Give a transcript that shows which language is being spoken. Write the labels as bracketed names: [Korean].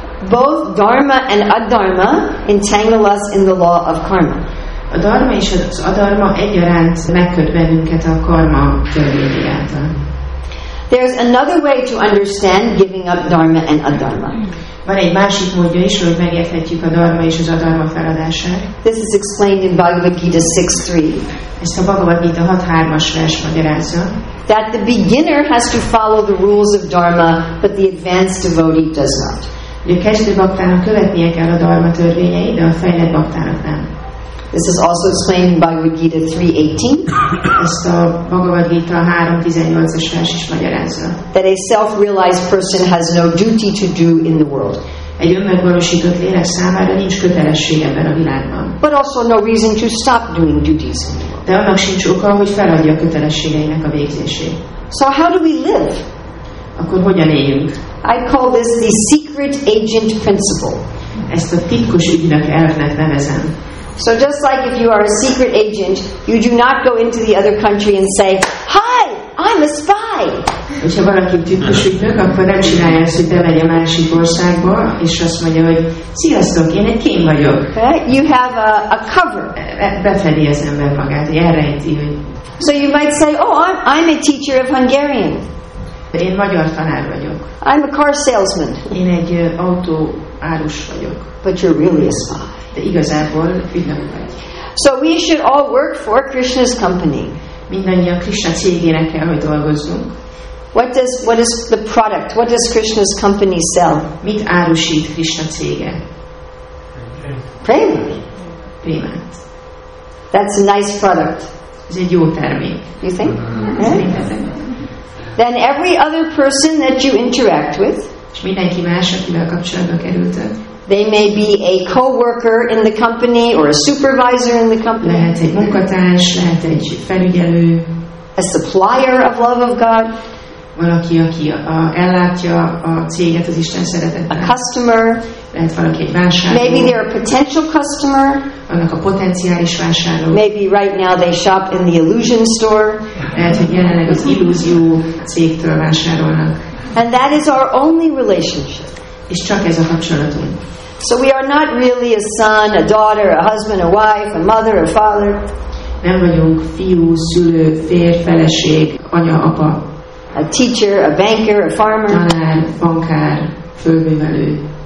[English] Both dharma and adharma entangle us in the law of karma. [Hungarian] A dharma és az adharma egyaránt megköt bennünket a karma törvényi által. [English] There's another way to understand giving up dharma and adharma. [Hungarian] Van egy másik módja is, hogy megérthetjük a dharma és az adharma feladását. [English] This is explained in Bhagavad Gita 6:3. [Hungarian] Ezt a Bhagavad Gita 6:3-as vers magyarázza. [English] That the beginner has to follow the rules of dharma, but the advanced devotee does not. [Hungarian] A kezdő baktának követnie kell a dharma törvényeit, de a fejlett baktának nem. [English] This is also explained in Bhagavad Gita 3:18. [Hungarian] Ezt a Bhagavad Gita 3:18-as vers is magyarázza. [English] That a self-realized person has no duty to do in the world. [Hungarian] Egy önmegvalósított lélek számára nincs kötelesség ebben a világban. [English] But also no reason to stop doing duties. [Hungarian] De annak sincs oka, hogy feladja a kötelességeinek a végzését. [English] So how do we live? [Hungarian] Akkor hogyan éljünk? [English] I call this the secret agent principle. [Hungarian] Ezt a titkos ügynök elvnek nevezem. [English] So just like if you are a secret agent, you do not go into the other country and say, "Hi, I'm a spy." [Hungarian] Hogyha valaki titkos ügynök, akkor nem csinálja ezt, hogy bemegy a másik országba, és azt mondja, hogy sziasztok, én egy kém vagyok. [English] Okay? You have a cover. [Hungarian] Befedi az ember magát, elrejti, hogy... [English] So you might say, "Oh, I'm a teacher of Hungarian." [Hungarian] Én magyar tanár vagyok. [English] I'm a car salesman. [Hungarian] Én egy autó árus vagyok. [English] But you're really a spy. [Hungarian] De igazából ügynök vagy. [English] So we should all work for Krishna's company. [Hungarian] Mindannyian Krishna cégének kell, hogy dolgozzunk. [English] What is the product? What does Krishna's company sell? [Hungarian] Mit árusít Krishna cége? [English] Prema. That's a nice product. [Hungarian] Ez egy jó termék. [English] You think? Mm-hmm. Then every other person that you interact with, [Hungarian] és mindenki más, akivel kapcsolatba kerültek, [English] they may be a co-worker in the company or a supervisor in the company. [Hungarian] Lehet egy munkatárs, lehet egy felügyelő. [English] a supplier of love of God. [Hungarian] Valaki, aki ellátja a céget az Isten szeretetben. [English] A customer. [Hungarian] Lehet valaki egy vásárló. [English] Maybe they're a potential customer. [Hungarian] Vannak a potenciális vásárló. [English] Maybe right now they shop in the illusion store. [Hungarian] Lehet, hogy jelenleg az illúzió cégtől vásárolnak. [English] And that is our only relationship. [Hungarian] És csak ez a kapcsolatunk. [English] So we are not really a son, a daughter, a husband, a wife, a mother, a father. [Hungarian] Nem vagyunk fiú, szülő, fér, feleség, anya, apa. [English] A teacher, a banker, a farmer. [Hungarian] Tanár, bankár, fölművelő.